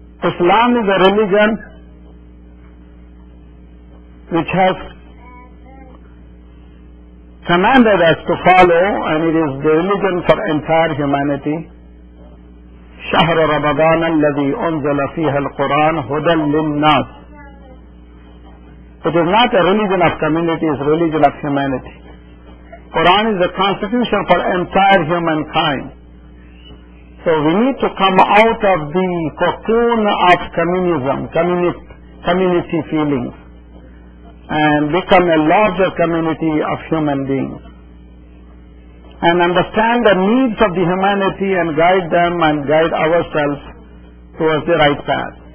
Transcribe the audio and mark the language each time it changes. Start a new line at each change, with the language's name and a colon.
English: Islam is a religion which has commanded us to follow, and it is the religion for entire humanity.
Arabic: شهر رمضان الذي أنزل فيه القرآن هدى للناس.
English: It is not a religion of community, it is a religion of humanity. Quran is the constitution for entire humankind. So we need to come out of the cocoon of communism, community feelings, and become a larger community of human beings and understand the needs of the humanity and guide them and guide ourselves towards the right path.